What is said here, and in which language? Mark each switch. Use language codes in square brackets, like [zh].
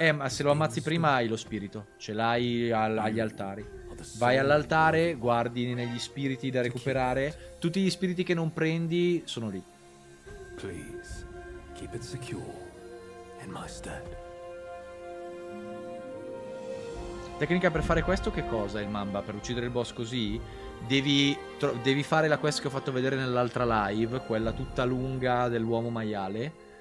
[it] ma se lo ammazzi prima hai lo spirito. Ce l'hai agli altari. Vai all'altare, guardi negli spiriti da recuperare. Tutti gli spiriti che non prendi sono lì. [en] Please, keep it secure in my stead. [it] Tecnica per fare questo, che cosa è il Mamba? Per uccidere il boss così devi fare la quest che ho fatto vedere nell'altra live, quella tutta lunga dell'uomo maiale.